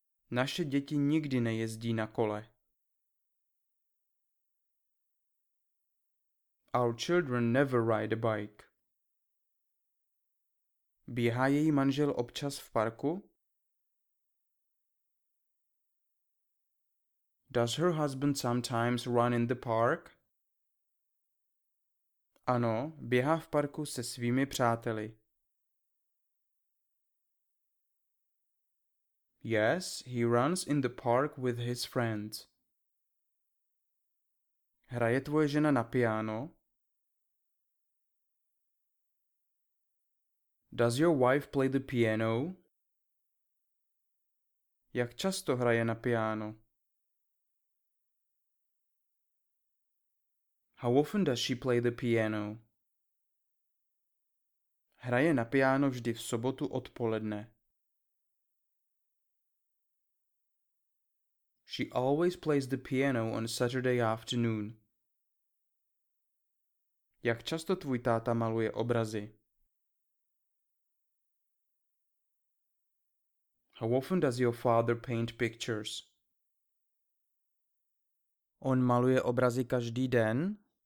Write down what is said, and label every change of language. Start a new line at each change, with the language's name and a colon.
Czech: Naše děti nikdy nejezdí na kole.
English: Our children never ride a bike.
Czech: Běhá její manžel občas v parku?
English: Does her husband sometimes run in the park?
Czech: Ano, běhá v parku se svými přáteli.
English: Yes, he runs in the park with his friends.
Czech: Hraje tvoje žena na piano?
English: Does your wife play the piano?
Czech: Jak často hraje na piano?
English: How often does she play the piano?
Czech: Hraje na piano vždy v sobotu odpoledne.
English: She always plays the piano on Saturday afternoon.
Czech: Jak často tvůj táta maluje obrazy?
English: How often does your father paint pictures?
Czech: On maluje obrazy každý den?